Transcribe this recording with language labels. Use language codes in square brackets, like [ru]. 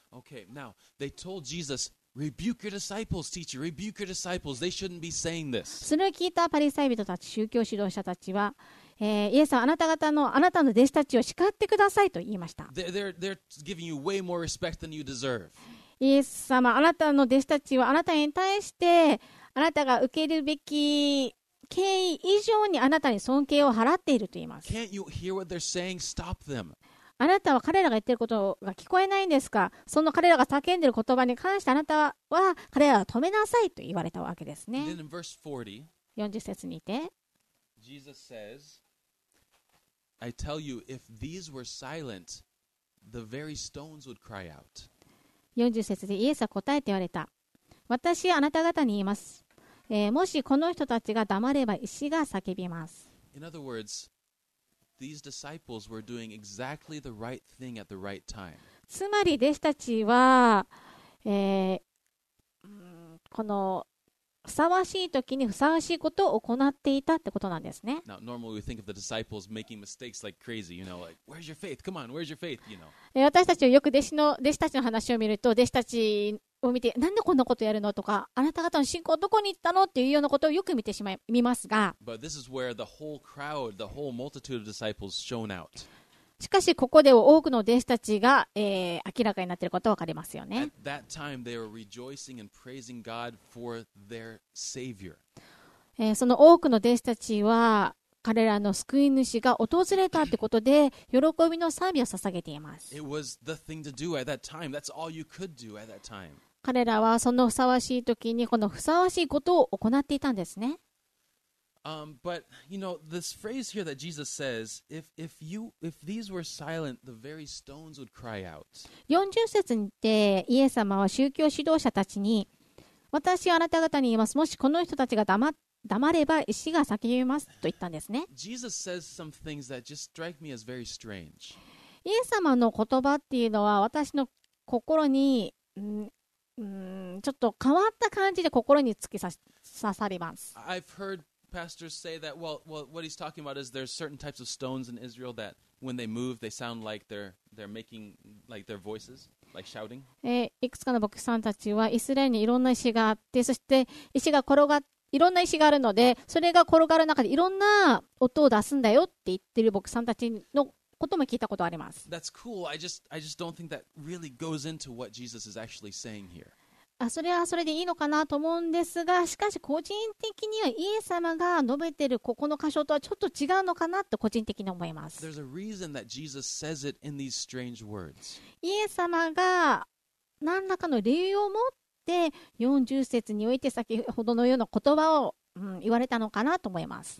[en] Okay, now, they told Jesus, rebuke your disciples, teacher, rebuke your disciples, they shouldn't be saying this. [ja] それを聞いたパリサイ人たち、宗教指導者たちは、イエスはあなたの弟子たちを叱ってくださいと言いました。 [en] They're giving you way more respect than you deserve. [ja] イエス様、あなたの弟子たちはあなたに対してあなたが受けるべき敬意以上にあなたに尊敬を払っていると言います。 [en] Can't you hear what they're saying? Stop them. [ja] あなたは彼らが言っていることが聞こえないんですか。その彼らが叫んでいる言葉に関してあなたは彼らを止めなさいと言われたわけですね。 [en] Then in verse 40, [ja] 40節にて [en] Jesus says, I tell you, if these were silent, the very stones would cry out. [ja] 40節でイエスは答えて言われた。私はあなた方に言います、もしこの人たちが黙れば石が叫びます。 [en] In other words, these disciples were doing exactly the right thing at the right time. [ja] つまり弟子たちは、このふさわしい時にふさわしいことを行っていたってことなんですね。 [en] Now, normally we think of the disciples making mistakes like crazy, you know, like, where's your faith? Come on, where's your faith? You know. [ja] 私たちはよく弟子たちの話を見ると、弟子たちを見て、なんでこんなことやるのとか、あなた方の信仰どこに行ったのっていうようなことをよく見てしまい、見ますが。 [en] But this is where the whole crowd, the whole multitude of disciples shown out. [ja] しかし、ここでは多くの弟子たちが、明らかになっていることが分かりますよね。 [en] At that time, they were rejoicing and praising God for their Savior. [ja] その多くの弟子たちは、彼らの救い主が訪れたということで喜びの賛美を捧げています。 [en] It was the thing to do at that time. That's all you could do at that time. [ja] 彼らはそのふさわしい時にこのふさわしいことを行っていたんですね。 [en] But you know, this phrase here that Jesus says, if these were silent, the very stones would cry out. [ja] 40節にてイエス様は宗教指導者たちに、私はあなた方に言います。もしこの人たちが黙れば石が叫びますと言ったんですね。 [en] Jesus says some things that just strike me as very strange. [ja] イエス様の言葉っていうのは私の心に、ちょっと変わった感じで心に突き刺さります。 [en] I've heard pastors say that, well, what he's talking about is there's certain types of stones in Israel that when they move, they sound like they're making like their voices. Like、shouting. [ja] いくつかの牧師さんたちはイスラエルにいろんな石があって、そして石が転がっ、いろんな石があるので、それが転がる中でいろんな音を出すんだよって言ってる牧師さんたちのことも聞いたことあります。 [en] That's cool. I just don't think that really goes into what Jesus is actually saying here. [ja] あ、それはそれでいいのかなと思うんですが、しかし個人的にはイエス様が述べてるここの箇所とはちょっと違うのかなと個人的に思います。 [en] There's a reason that Jesus says it in these strange words. [ja] イエス様が何らかの理由を持って40節において先ほどのような言葉を、言われたのかなと思います。